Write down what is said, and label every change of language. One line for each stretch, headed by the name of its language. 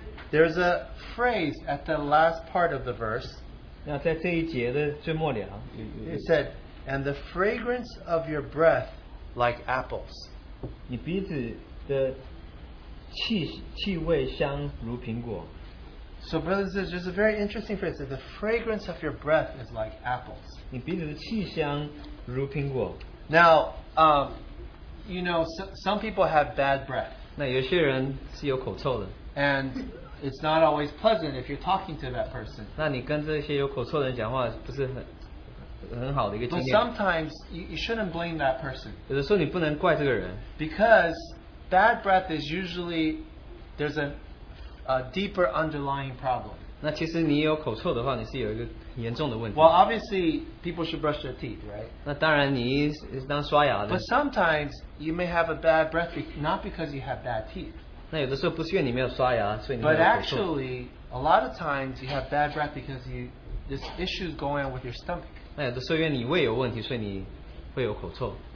English: There's a phrase at the last part of the verse.
Chinese: 那在这一节的最末了,
English: it said, and the fragrance of your breath like apples.
Chinese: 你鼻子的气味香如苹果.
English: So brothers and sisters, there's a very interesting phrase that the fragrance of your breath is like apples.
Chinese: 你鼻子的气香如苹果.
English: Now, you know, some people have bad breath.
Chinese: 那有些人是有口臭的.
English: And it's not always pleasant if you're talking to that person.
Chinese: 那你跟这些有口臭的人讲话不是很好的一个经验.
English: But sometimes you shouldn't blame that person.
Chinese: 有的时候你不能怪这个人.
English: Because bad breath is usually, there's a deeper underlying problem.
Chinese: 那其实你有口臭的话，你是有一个严重的问题。
English: Well, obviously, people should brush their teeth, right?
Chinese: 那当然，你是当刷牙的。
English: But sometimes you may have a bad breath, not because you have bad teeth.
Chinese: 那有的时候不是因为你没有刷牙，所以你没有口臭。
English: But actually, a lot of times you have bad breath because this issue is going on with your stomach.
Chinese: 那有的时候因为你胃有问题，所以你会有口臭。